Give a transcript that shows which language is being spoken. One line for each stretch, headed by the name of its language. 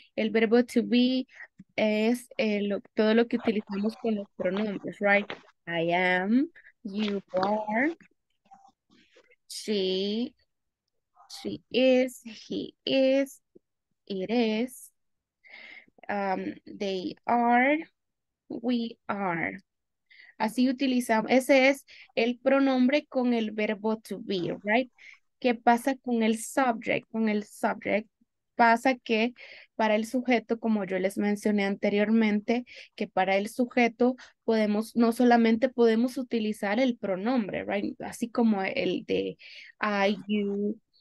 Spanish: El verbo to be es todo lo que utilizamos con los pronombres, right?
English: I am, you are, she is, he is, it is, they are, we are.
Spanish: Así utilizamos, ese es el pronombre con el verbo to be, right? ¿Qué pasa con el subject? Con el subject pasa que para el sujeto, como yo les mencioné anteriormente, que para el sujeto podemos, no solamente podemos utilizar el pronombre, right? Así como el de I, you,